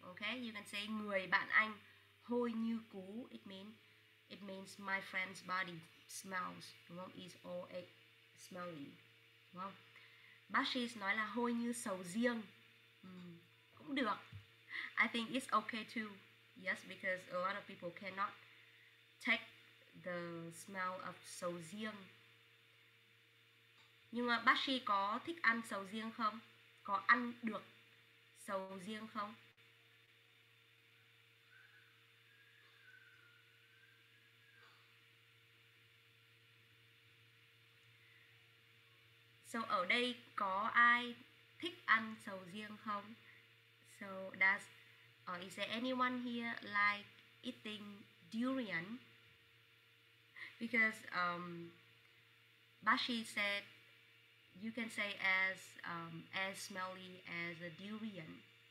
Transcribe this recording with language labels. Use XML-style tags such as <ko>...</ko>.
<en>Okay, you can say</en> <vi>người bạn anh hôi như cú.</vi> <en>It means my friend's body smells.</en> <vi>Đúng không?</vi> <en>Is all a smelly. Đúng không?</en> <vi>Bashis nói là hôi như sầu riêng. Cũng được.</vi> <en>I think it's okay too. Yes, because a lot of people cannot take the smell of sầu riêng.</en> <vi>Nhưng mà Bashi có thích ăn sầu riêng không? Có ăn được sầu riêng không? So ở đây có ai thích ăn sầu riêng không?</vi> <en>So does is there anyone here like eating durian? Because Bashi said you can say as smelly as a durian.</en>